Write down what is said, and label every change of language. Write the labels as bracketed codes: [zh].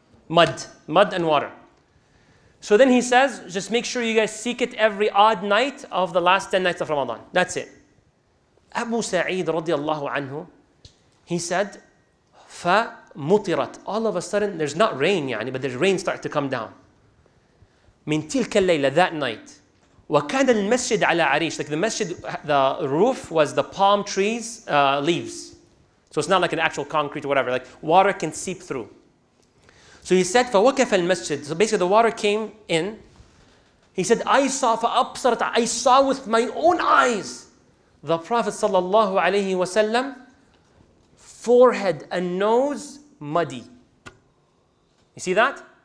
[en] Mud and water. So then he says, just make sure you guys seek it every odd night of the last 10 nights of Ramadan. That's it. Abu Sa'id radiallahu anhu, he said, [ar] فَمُطِرَتْ. [en] All of a sudden, there's not rain, يعني, but there's rain starting to come down. [ar] مِنْ تِلْكَ اللَّيْلَ, [en] that night. [ar] وَكَانَ الْمَسْجِدْ عَلَىٰ عَرِيشْ. [en] Like the masjid, the roof was the palm trees, leaves. So it's not like an actual concrete or whatever, like water can seep through. So he said, [ar] فَوَكَفَ الْمَسْجِدِ. [en] So basically the water came in. He said, I saw, [ar] فَأَبْصَرَتْ, [en] I saw with my own eyes the Prophet sallallahu alayhi wa sallam, forehead and nose muddy. You see that?